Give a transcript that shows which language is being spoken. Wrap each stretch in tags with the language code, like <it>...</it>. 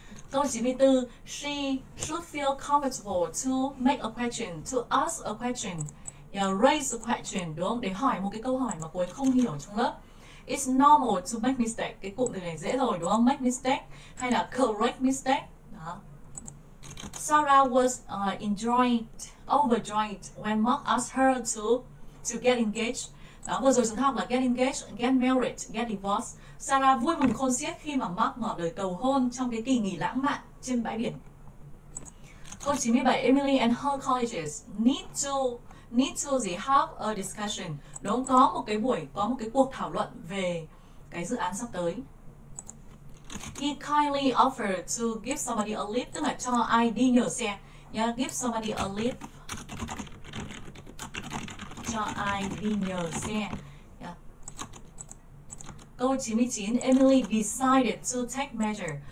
<vi>Câu 94,</vi> <en>she should feel comfortable to make a question,</en> <vi>to ask a question, raise a question, đúng không, để hỏi một cái câu hỏi mà cô ấy không hiểu trong lớp.</vi> <en>It's normal to make mistake.</en> <vi>Cái cụm từ này dễ rồi đúng không?</vi> <en>Make mistake</en> <vi>hay là</vi> <en>correct mistake. Đó. Sarah was overjoyed when Mark asked her to get engaged.</en> <vi>Đó, vừa rồi chúng ta học là</vi> <en>get engaged, get married, get divorced.</en> <vi>Sarah vui mừng khôn xiết khi mà Mark mở lời cầu hôn trong cái kỳ nghỉ lãng mạn trên bãi biển.</vi> <en>Câu 97, Emily and her colleagues need to have a discussion.</en> <vi>Đúng, có một cái buổi, có một cái cuộc thảo luận về cái dự án sắp tới.</vi> <en>He kindly offered to give somebody a lift,</en> <vi>tức là cho ai đi nhờ xe.</vi> <en>Yeah, give somebody a lift.</en> <vi>Cho ai đi nhờ xe. Yeah. Câu 99,</vi> <en>Emily decided to take measure.</en>